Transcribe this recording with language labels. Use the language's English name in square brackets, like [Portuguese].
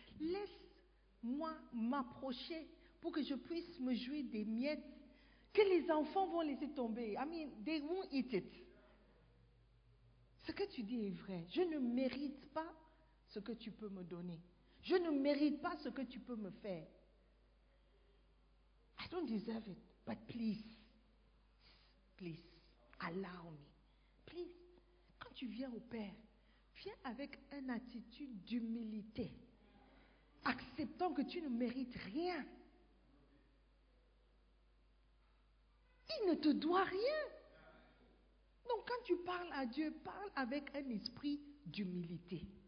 [French] Laisse-moi m'approcher pour que je puisse me jouer des miettes que les enfants vont laisser tomber. [English] I mean, they won't eat it. [French] Ce que tu dis est vrai. Je ne mérite pas ce que tu peux me donner. Je ne mérite pas ce que tu peux me faire. [English] I don't deserve it, but please, please, allow me. Please, [French] quand tu viens au Père, viens avec une attitude d'humilité, acceptant que tu ne mérites rien. Il ne te doit rien. Donc quand tu parles à Dieu, parle avec un esprit d'humilité.